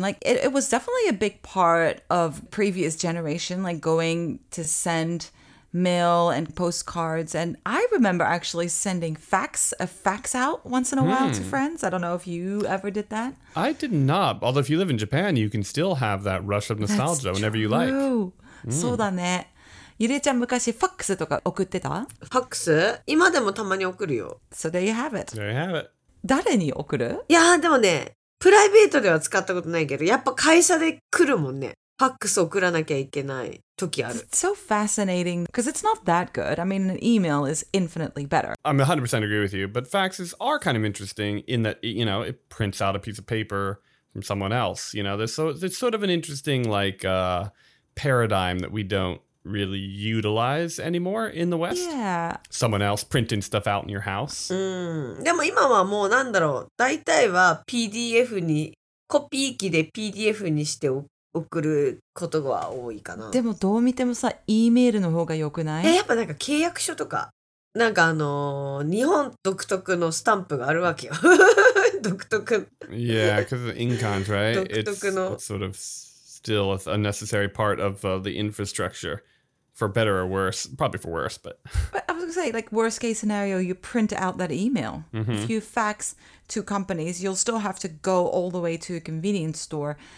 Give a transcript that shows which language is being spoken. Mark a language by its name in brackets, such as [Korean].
[English] Like, it was definitely a big part of previous generation, like going to send mail and postcards. And I remember actually sending a fax out once in a while to friends. I don't know if you ever did that. I did not. Although if you live in Japan, you can still have that rush of nostalgia That's whenever true. You like. [Japanese] そうだね。ゆりえちゃん昔ファックスとか送ってた？ファックス？今でもたまに送るよ。 [English] So there you have it. There you have it. [Japanese] 誰に送る？いやでもね、プライベートでは使ったことないけど、やっぱ会社で来るもんね。ファックス送らなきゃいけない時ある。 [English] It's so fascinating because it's not that good. I mean, an email is infinitely better. I'm 100% agree with you, but faxes are kind of interesting in that, you know, it prints out a piece of paper from someone else. You know, there's so it's sort of an interesting like paradigm that we don't really utilize anymore in the West. Yeah. Someone else printing stuff out in your house. [Japanese] でも今はもうなんだろう。大体は PDF にコピー機で PDF にして送ることが多いかな。でもどう見てもさ、E メールの方が良くない？やっぱなんか契約書とか、なんか日本独特のスタンプがあるわけよ。独特。 [English] Yeah, because of ink cans, right? [Japanese] 独特の。 [English] It's sort of still a necessary part of the infrastructure, for better or worse, probably for worse, but... But I was going to say, like, worst case scenario, you print out that email. Mm-hmm. If you fax to companies, you'll still have to go all the way to a convenience store.